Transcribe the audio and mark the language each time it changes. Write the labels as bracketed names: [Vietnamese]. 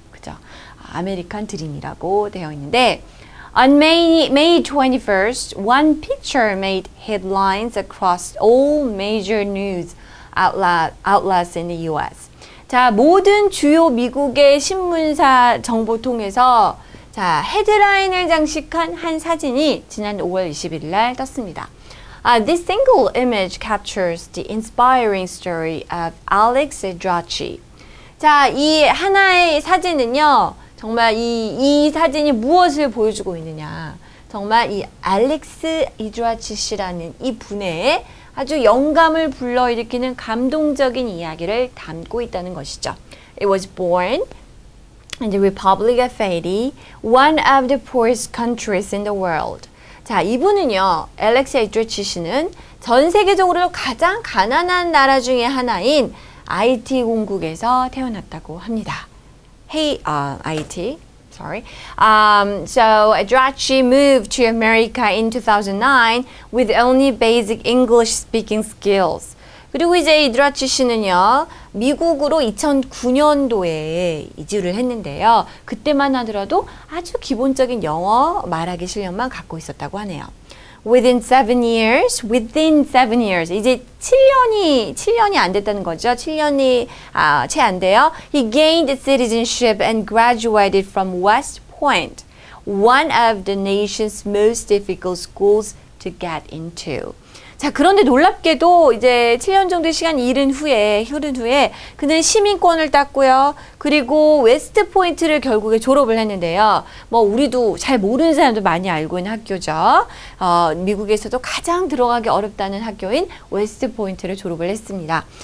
[Korean] 그죠? American dream이라고 되어 있는데 [English] On May 21st, one picture made headlines across all major news outlets in the U.S. [Korean] 자, 모든 주요 미국의 신문사 정보 통해서 자, 헤드라인을 장식한 한 사진이 지난 5월 21일 날 떴습니다. [English] This single image captures the inspiring story of Alex Idrachi. [Korean] 자, 이 하나의 사진은요. 정말 이 사진이 무엇을 보여주고 있느냐. 정말 이 알렉스 이드라치 씨라는 이 분의 아주 영감을 불러일으키는 감동적인 이야기를 담고 있다는 것이죠. [English] It was born in the Republic of Haiti, one of the poorest countries in the world. [Korean] 자, 이분은요, 알렉스 이드라치 씨는 전 세계적으로 가장 가난한 나라 중에 하나인 IT 공국에서 태어났다고 합니다. [English] So Idrachi moved to America in 2009 with only basic English speaking skills. [Korean] 그리고 이제 이드라치 씨는요, 미국으로 2009년도에 이주를 했는데요. 그때만 하더라도 아주 기본적인 영어 말하기 실력만 갖고 있었다고 하네요. [English] Within seven years, [Korean] 이제 7년이 안 됐다는 거죠. 7년이 채 안 돼요. [English] He gained citizenship and graduated from West Point, one of the nation's most difficult schools to get into. [Korean] 자, 그런데 놀랍게도 이제 7년 정도의 시간이 흐른 후에 그는 시민권을 땄고요. 그리고 웨스트 포인트를 결국에 졸업을 했는데요. 뭐 우리도 잘 모르는 사람도 많이 알고 있는 학교죠. 미국에서도 가장 들어가기 어렵다는 학교인 웨스트 포인트를 졸업을 했습니다.